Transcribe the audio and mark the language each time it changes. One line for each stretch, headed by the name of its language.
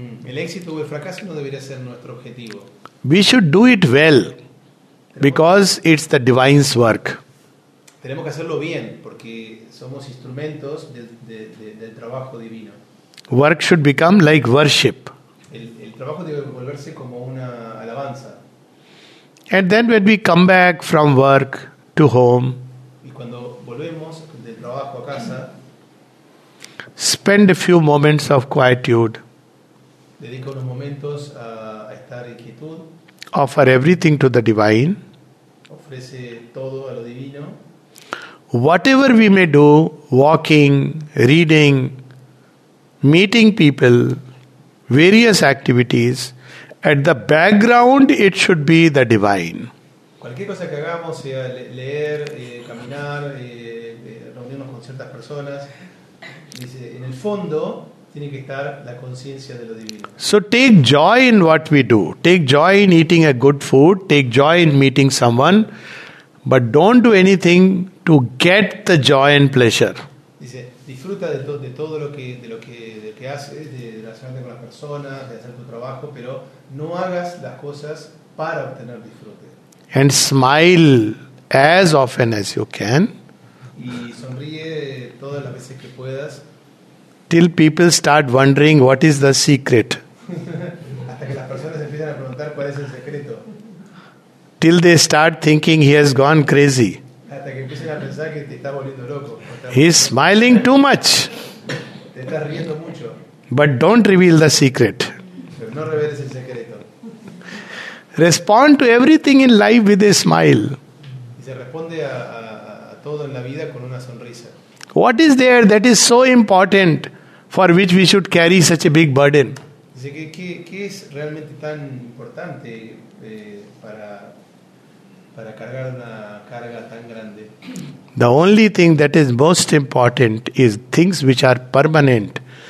Spanish: El éxito o el fracaso no debería ser nuestro objetivo.
English: We should do it well, because it's the Divine's work.
Spanish: Tenemos que hacerlo bien, porque somos instrumentos del trabajo divino.
English: Work should become like worship.
Spanish: El trabajo debe volverse como una alabanza.
English: And then when we come back from work to home,
Spanish: y cuando volvemos del trabajo a casa,
English: spend a few moments of quietude.
Spanish: Dedica unos momentos a estar en quietud.
English: Offer everything to the Divine.
Spanish: Ofrece todo a lo divino.
English: Whatever we may do, walking, reading, meeting people, various activities, at the background it should be the Divine.
Spanish: Cualquier cosa que hagamos, sea leer, caminar, reunirnos con ciertas personas, dice, en el fondo tiene que estar la conciencia de lo divino.
English: So take joy in what we do. Take joy in eating a good food. Take joy in meeting someone. But don't do anything to get the joy and pleasure.
Spanish: Dice, disfruta de todo lo que haces, de relacionarte con las personas, de hacer tu trabajo, pero no hagas las cosas para obtener disfrute.
English: And smile as often as you can.
Spanish: Y sonríe todas las veces que puedas.
English: Till people start wondering what is the secret.
Spanish: Hasta que las personas empiezan a preguntar cuál es el secreto.
English: Till they start thinking he has gone crazy.
Spanish: Hasta que empiezan a pensar que te está volviendo loco.
English: He's smiling too much.
Spanish: Te estás riendo mucho.
English: But don't reveal the secret.
Spanish: Pero no reveles el secreto.
English: Respond to everything in life with a smile.
Spanish: Y se responde a todo en la vida con una sonrisa.
English: What is there that is so important for which we should carry such a big burden?
Spanish: Dice, ¿qué es realmente tan importante para para cargar una carga tan grande.
English: The only thing that is most important is things which are permanent.